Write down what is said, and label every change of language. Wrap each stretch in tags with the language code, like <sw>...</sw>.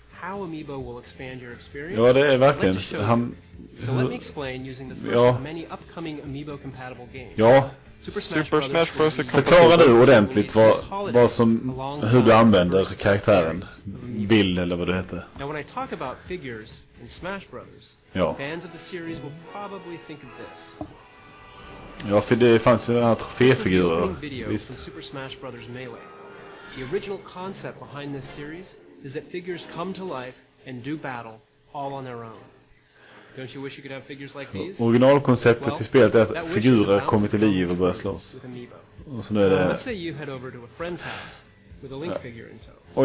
<en>how Amiibo will expand your experience.</en> <sv>Ja, det är verkligen han.</sv> <en>So let me explain using the first ja. Of many upcoming Amiibo compatible games. Ja, Super Smash Bros.</en> <sv>Förklara nu ordentligt vad som hur du använder karaktären Bill eller vad det heter.</sv> <en>Now when I talk about figures in Smash Brothers, ja. Fans of the series will probably think of this.</en> <sv>Ja, för det fanns ju några troféfigurer. Visst. Super Smash Brothers Melee.</sv> <en>The original concept behind this series is that figures come to life and do battle all on their own. Don't you wish you could have figures like these?</en> <sv>Så, originalkonceptet till spelet är att figurer kommer till liv och börjar slåss. Och så nu är det...</sv> <en>Let's say you head over to a friend's house with a Link figure in tow.</en>